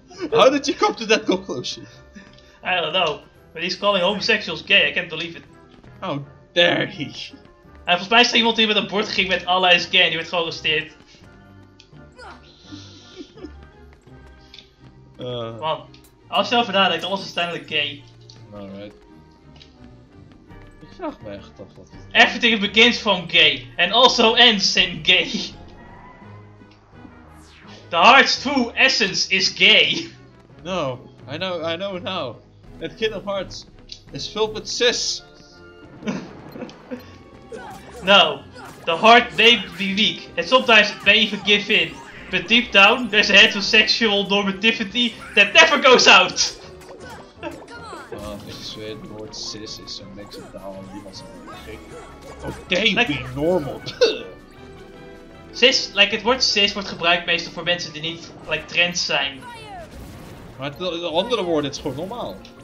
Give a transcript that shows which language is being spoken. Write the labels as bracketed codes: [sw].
[en] How did you come to that conclusion? I don't know, but he's calling homosexuals gay, I can't believe it. How dare he? [nl] En volgens mij is er iemand die met een bord ging met Allah is gay en die werd gearresteerd. Man, als je erover nadenkt, alles is uiteindelijk gay. Alright. Ik vraag me echt af wat. [en] Everything begins from gay, and also ends in gay. The heart's true essence is gay. No, I know now. That kind of heart is filled with cis. No, the heart may be weak, and sometimes it may even give in. But deep down, there's a heterosexual normativity that never goes out. [nl] Ik zweer, het woord cis is zo'n mix of taal en die was gek. [en] Okay, like... be normal. [nl] Cis, like het woord cis wordt gebruikt meestal voor mensen die niet like trans zijn. Maar de andere woorden, het is gewoon normaal.